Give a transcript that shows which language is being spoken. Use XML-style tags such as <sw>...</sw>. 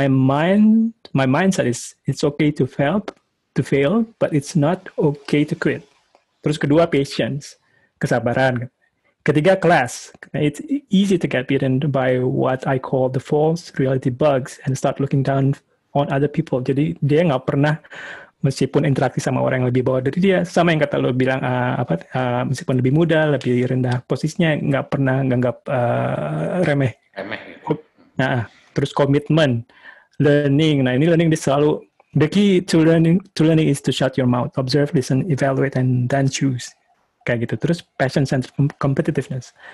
<en>My mindset is it's okay to fail, but it's not okay to quit.</en> <id>Terus kedua patience, kesabaran. Ketiga, class.</id> <en>It's easy to get beaten by what I call the false reality bugs and start looking down on other people.</en> <id>Jadi dia nggak pernah meskipun interaksi sama orang yang lebih bawah dari dia, sama yang kata lo bilang meskipun lebih muda, lebih rendah posisinya, nggak pernah nganggap remeh. Remeh. Nah, terus commitment, learning. Nah ini learning dia selalu</id> <en>the key to learning is to shut your mouth, observe, listen, evaluate, and then choose.</en> <id>Kayak gitu. Terus passion and competitiveness.</id>